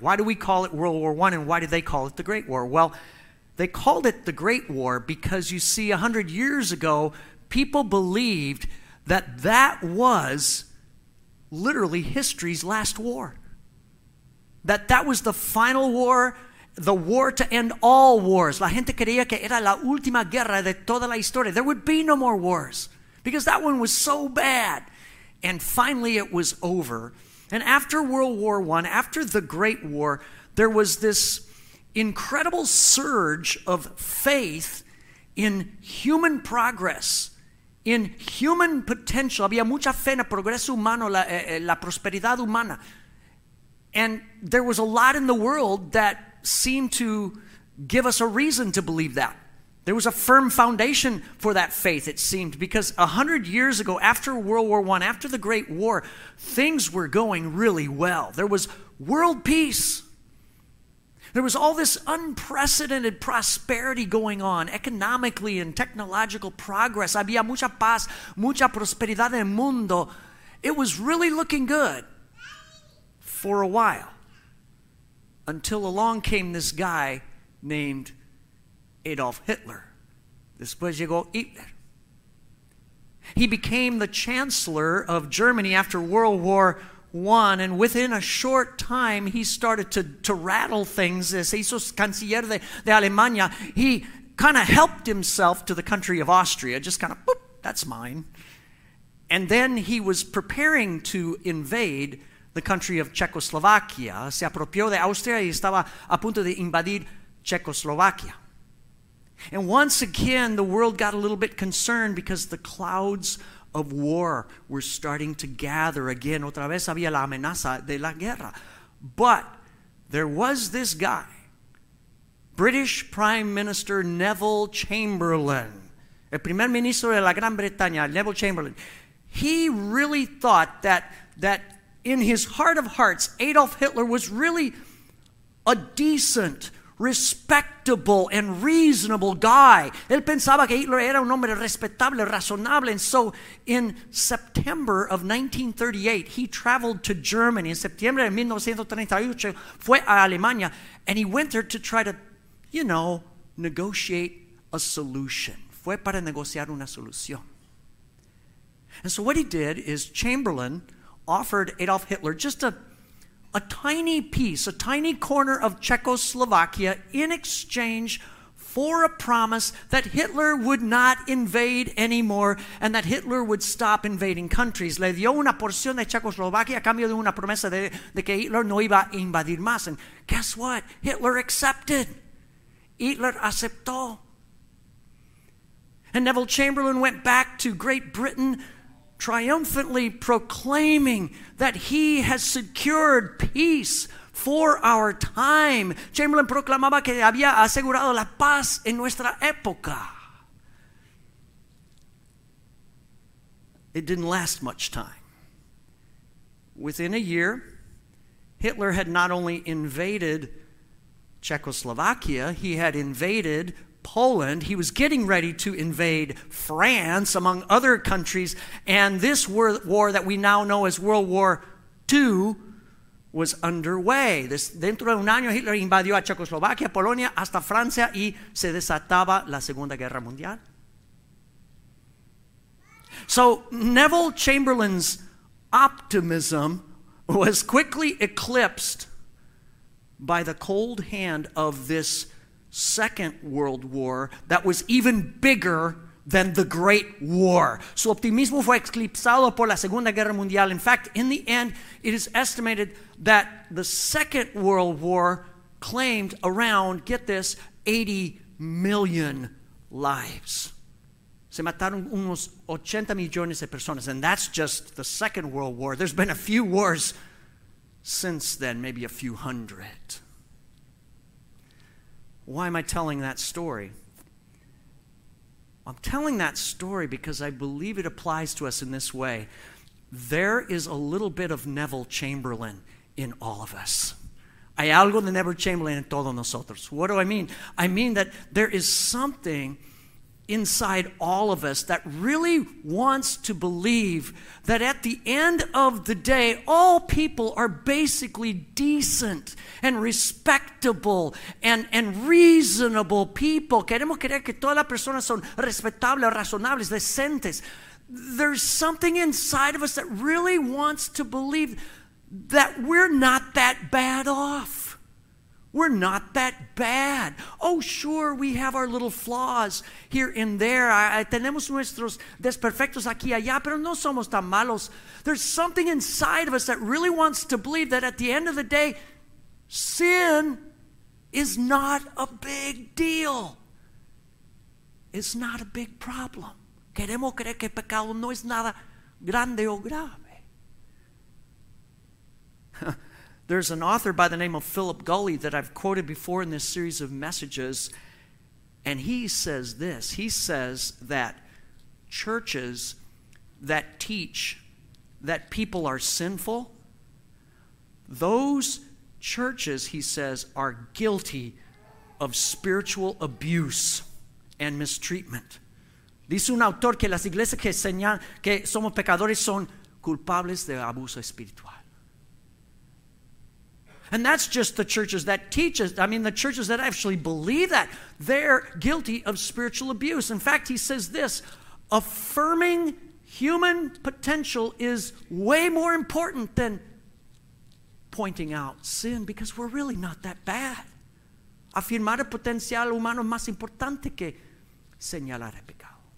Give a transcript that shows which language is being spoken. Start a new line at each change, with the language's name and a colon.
English: Why do we call it World War I, and why did they call it the Great War? Well, they called it the Great War because, you see, 100 years ago, people believed that that was literally history's last war. That was the final war, the war to end all wars.
Spanish: La gente creía que era la última guerra de toda la historia.
English: There would be no more wars because that one was so bad. And finally it was over. And after World War I, after the Great War, there was this incredible surge of faith in human progress, in human potential.
Spanish: Había mucha fe en el progreso humano, la prosperidad humana.
English: And there was a lot in the world that seemed to give us a reason to believe that. There was a firm foundation for that faith, it seemed, because 100 years ago, after World War I, after the Great War, things were going really well. There was world peace. There was all this unprecedented prosperity going on, economically and technological progress.
Spanish: Había mucha paz, mucha prosperidad en el mundo.
English: It was really looking good for a while, until along came this guy named Adolf Hitler.
Spanish: Después llegó Hitler.
English: He became the chancellor of Germany after World War I, and within a short time, he started to rattle things.
Spanish: Se hizo canciller de Alemania.
English: He kind of helped himself to the country of Austria, just kind of, boop, that's mine. And then he was preparing to invade the country of Czechoslovakia.
Spanish: Se apropió de Austria y estaba a punto de invadir Czechoslovakia.
English: And once again, the world got a little bit concerned because the clouds of war were starting to gather again.
Spanish: Otra vez había la amenaza de la guerra.
English: But there was this guy, British Prime Minister Neville Chamberlain,
Spanish: el primer ministro de la Gran Bretaña,
English: Neville Chamberlain. He really thought that in his heart of hearts, Adolf Hitler was really a decent, respectable and reasonable guy.
Spanish: Él pensaba que Hitler era un hombre respetable, razonable.
English: And so in September of 1938, he traveled to Germany. In September of 1938,
Spanish: fue a Alemania,
English: and he went there to try to, you know, negotiate a solution.
Spanish: Fue para negociar una solución.
English: And so what he did is Chamberlain offered Adolf Hitler just a tiny corner of Czechoslovakia in exchange for a promise that Hitler would not invade anymore and that Hitler would stop invading countries.
Spanish: Le dio una porción de Czechoslovakia a cambio de una promesa de que Hitler no iba a invadir más.
English: And guess what? Hitler accepted.
Spanish: Hitler aceptó.
English: And Neville Chamberlain went back to Great Britain triumphantly proclaiming that he has secured peace for our time.
Spanish: Chamberlain proclamaba que había asegurado la paz en nuestra época.
English: It didn't last much time. Within a year, Hitler had not only invaded Czechoslovakia, he had invaded Poland. He was getting ready to invade France, among other countries. And this war that we now know as World War II was underway.
Spanish: Dentro de un año, Hitler invadió a Checoslovaquia, Polonia, hasta Francia, y se desataba la Segunda Guerra Mundial.
English: So Neville Chamberlain's optimism was quickly eclipsed by the cold hand of this Second World War that was even bigger than the Great War.
Spanish: Su optimismo fue eclipsado por la Segunda Guerra Mundial.
English: In fact, in the end, it is estimated that the Second World War claimed around, get this, 80 million lives.
Spanish: Se mataron unos 80 millones de personas,
English: and that's just the Second World War. There's been a few wars since then, maybe a few hundred. Why am I telling that story? I'm telling that story because I believe it applies to us in this way. There is a little bit of Neville Chamberlain in all of us.
Spanish: Hay algo de Neville Chamberlain en todos nosotros.
English: What do I mean? I mean that there is something inside all of us that really wants to believe that at the end of the day, all people are basically decent and respectable and reasonable people.
Spanish: Queremos creer que todas las personas son respetables, razonables, decentes.
English: There's something inside of us that really wants to believe that we're not that bad off. We're not that bad. Oh, sure, we have our little flaws here and there.
Spanish: Tenemos nuestros desperfectos aquí y allá, pero no somos tan malos.
English: There's something inside of us that really wants to believe that at the end of the day, sin is not a big deal. It's not a big problem.
Spanish: Queremos creer que el pecado no es nada grande o grave.
English: There's an author by the name of Philip Gully that I've quoted before in this series of messages, and he says this. He says that churches that teach that people are sinful, those churches, he says, are guilty of spiritual abuse and mistreatment.
Spanish: Dice un autor que las iglesias que enseñan que somos pecadores son culpables de abuso espiritual.
English: And that's just the churches that teach us. I mean, the churches that actually believe that, they're guilty of spiritual abuse. In fact, he says this, affirming human potential is way more important than pointing out sin, because we're really not that bad.
Spanish: Afirmar el potencial humano es más importante que señalar el pecado.